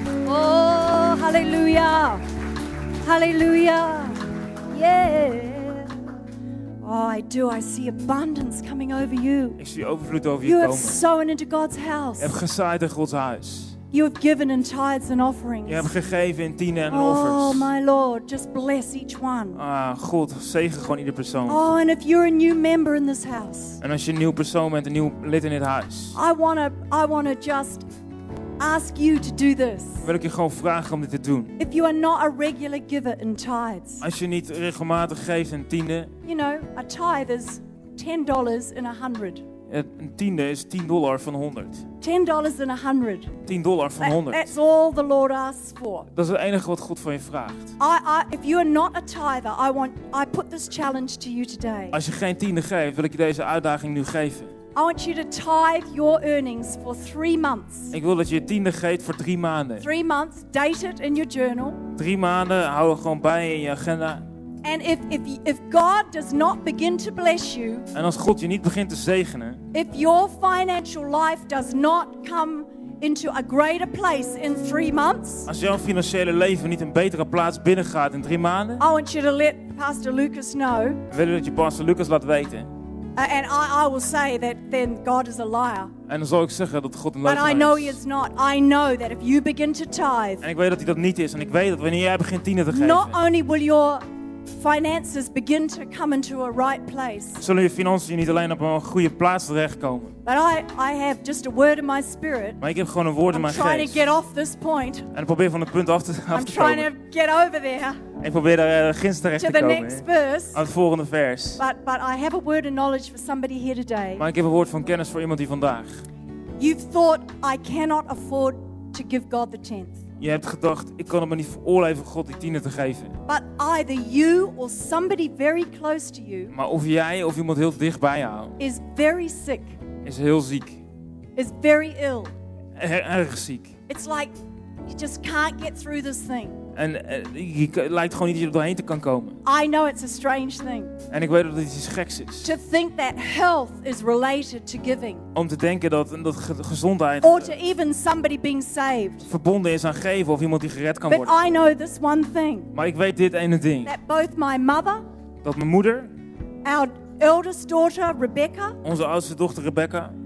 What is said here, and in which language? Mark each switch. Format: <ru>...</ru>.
<en>Oh, hallelujah. Hallelujah. Yeah. Oh, I do. I see abundance coming over you.</en> <nl>Ik zie overvloed over</nl> <en>you</en> <nl>je komen.</nl> <en>You have sown into God's house.</en> <nl>Je hebt gezaaid in Gods huis.</nl> <en>You have given in tithes and offerings.</en> <nl>Je hebt gegeven in tienden en oh, offers.</nl> <en>Oh my Lord, just bless each one.</en> <nl>Ah, God, zegen gewoon ieder persoon.</nl> <en>Oh, and if you're a new member in this house.</en> <nl>En als je een nieuw persoon bent, een nieuw lid in dit huis.</nl> <en>I wanna just ask you to do this.</en> <nl>Wil ik je gewoon vragen om dit te doen.</nl> <en>If you are not a regular giver in tithes.</en> <nl>Als je niet regelmatig geeft in tienden.</nl> <en>You know, a tithe is $10 in 100.</en> <nl>Een tiende is $10 van 100.</nl> <en>$10 in 100.</en> <nl>$10 van 100.</nl> <en>That's all the Lord asks for.</en> <nl>Dat is het enige wat God van je vraagt.</nl> <en>If you are not a tither, I put this challenge to you today.</en> <nl>Als je geen tiende geeft, wil ik je deze uitdaging nu geven.</nl> <en>I want you to tithe your earnings for 3 months.</en> <nl>Ik wil dat je tiende geeft voor 3 maanden.</nl> <en>3 months, date it in your journal.</en> <nl>3 maanden, hou er gewoon bij in je agenda.</nl> <en>And if God does not begin to bless you,</en> <nl>en als God je niet begint te zegenen,</nl> <en>if your financial life does not come into a greater place in 3 months.</en> <nl>Als jouw financiële leven niet een betere plaats binnengaat in 3 maanden.</nl> <en>I want you to let Pastor Lucas know.</en> <nl>Wil je dat je Pastor Lucas laat weten?</nl> <en>And I will say that then God is a liar.</en> <nl>En dan zal ik zeggen dat God een leugenaar is.</nl> <en>But I know he is not. I know that if you begin to tithe.</en> <nl>En ik weet dat hij dat niet is. En ik weet dat wanneer jij begint tienen te geven.</nl> <en>Not only will your finances begin to come into a right place.</en> <nl>Zullen je financiën niet alleen op een goede plaats terechtkomen.</nl> <en>But I have just a word in my spirit.</en> <nl>Maar ik heb gewoon een woord in mijn geest.</nl> <en>I'm trying to get off this point.</en> <nl>En ik probeer van het punt af te komen.</nl> <en>I'm trying to get over there.</en> <nl>Ik probeer daar ginds terecht</nl> <en>to</en> <nl>te komen.</nl> <en>To the next verse.</en> <nl>Aan het volgende vers.</nl> <en>But I have a word of knowledge for somebody here today.</en> <nl>Maar ik heb een woord van kennis voor iemand hier vandaag.</nl> <en>You've thought I cannot afford to give God the tenth.</en> <nl>Je hebt gedacht, ik kan het me niet veroorloven God die tiende te geven.</nl> <en>But either you or somebody very close to you.</en> <nl>Maar of jij of iemand heel dicht bij jou.</nl> <en>Is very sick.</en> <nl>Is heel ziek.</nl> <en>Is very ill.</en> <nl>Erg ziek.</nl> <en>It's like you just can't get through this thing.</en> <nl>En je lijkt gewoon niet dat je er doorheen te kan komen.</nl> <en>I know it's a strange thing.</en> <nl>En ik weet dat het iets geks is.</nl> <en>To think that health is related to giving.</en> <nl>Om te denken dat gezondheid.</nl> <en>Or to even somebody being saved.</en> <nl>Verbonden is aan geven of iemand die gered kan</nl> <en>But</en> <nl>worden.</nl> <en>But I know this one thing.</en> <nl>Maar ik weet dit ene ding.</nl> <en>That both my mother.</en> <nl>Dat mijn moeder.</nl> <en>Our eldest daughter Rebecca.</en> <nl>Onze oudste dochter Rebecca.</nl>